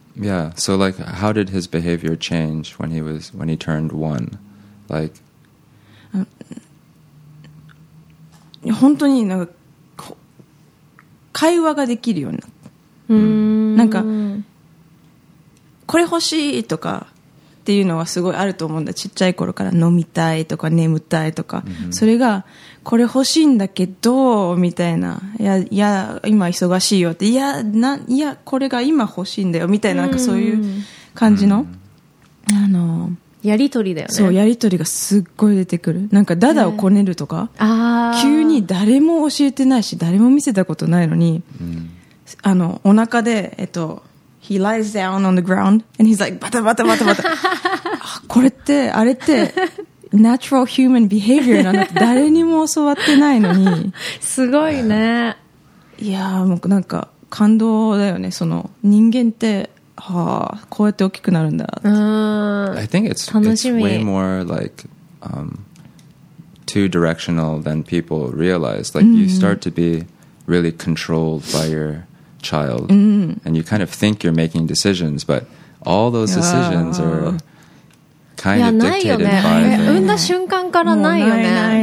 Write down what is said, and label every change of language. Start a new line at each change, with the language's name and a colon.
English: Yeah, so like, how did his behavior change when he turned one? Like,
Japanese: 本当になんか会話ができるようになった。なんか、これ欲しいとかっていうのはすごいあると思うんだ。ちっちゃい頃から飲みたいとか眠たいとか、mm-hmm. それがこれ欲しいんだけどみたいな、いや今忙しいよって、いやこれが今欲しいんだよみたいな、なんかそういう感じの、mm-hmm. あのやりとりだよね。そう、やりとりがすっごい出てくる。なんかダダをこねるとか、急に誰も教えてないし誰も見せたことないのに、 mm-hmm. あのお腹で
English: He lies down on the ground and he's like, bata bata bata bata.
Japanese: これって、あれって、
English: natural human behavior
Japanese: なんだって誰にも教わってないのに。すごいね。いやー、もうなんか感動だよね。その人間って、はあ、こうやって大きくなるんだって。
English: I think it's way more like, two directional than people realize. Like, you start to be really controlled by your child, and you kind of think you're making decisions, but all those decisions are kind of dictated by the...
Japanese: 産んだ瞬間からないよね。